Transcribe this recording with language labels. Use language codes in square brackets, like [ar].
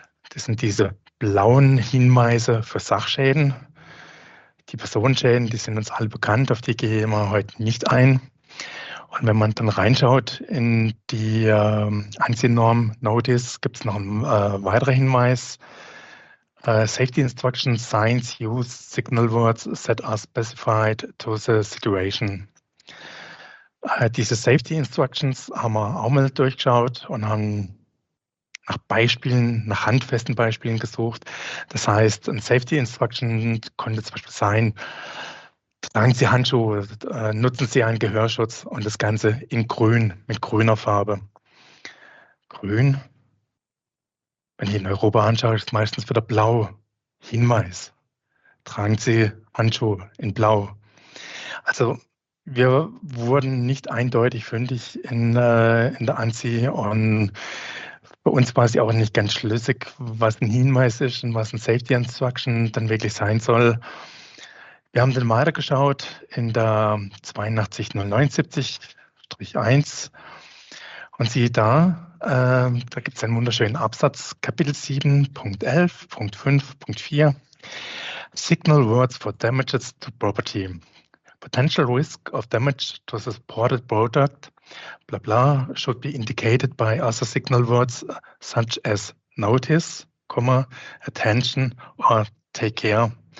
[de] Das sind diese blauen Hinweise für Sachschäden. Die Personenschäden, die sind uns alle bekannt, auf die gehe ich heute nicht ein. Und wenn man dann reinschaut in die ANSI-Norm Notice, gibt es noch einen weiteren Hinweis. [en] Safety Instructions, Signs, Use, Signal Words that are specified to the situation. [de] Diese Safety Instructions haben wir auch mal durchgeschaut und haben nach Beispielen, nach handfesten Beispielen gesucht. Das heißt, ein Safety Instruction könnte zum Beispiel sein, tragen Sie Handschuhe, nutzen Sie einen Gehörschutz und das Ganze in grün, mit grüner Farbe. Grün, wenn ich in Europa anschaue, ist meistens wieder blau. Hinweis, tragen Sie Handschuhe in blau. Also, wir wurden nicht eindeutig fündig in der ANSI und bei uns war es ja auch nicht ganz schlüssig, was ein Hinweis ist und was ein Safety Instruction dann wirklich sein soll. Wir haben dann weiter geschaut in der 82079-1 und siehe da, da gibt es einen wunderschönen Absatz, Kapitel 7.11.5.4, [en] Signal Words for Damages to Property. Potential risk of damage to the supported product, blah, blah, should be indicated by other signal words such as notice, comma, attention or take care.